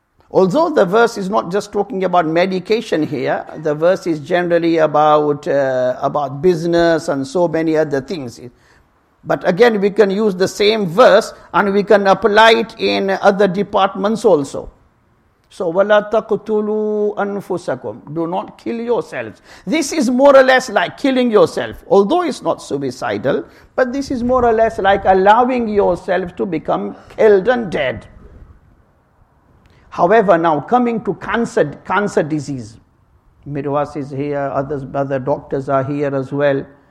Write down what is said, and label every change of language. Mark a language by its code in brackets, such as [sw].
[en] Although the verse is not just talking about medication here, the verse is generally about business and so many other things. But again, we can use the same verse and we can apply it in other departments also. [ar] So, وَلَا تَقْتُلُوا أَنفُسَكُمْ. [en] Do not kill yourselves. This is more or less like killing yourself. Although it's not suicidal, but this is more or less like allowing yourself to become killed and dead. However, now coming to cancer disease. Mirwas is here, other doctors are here as well.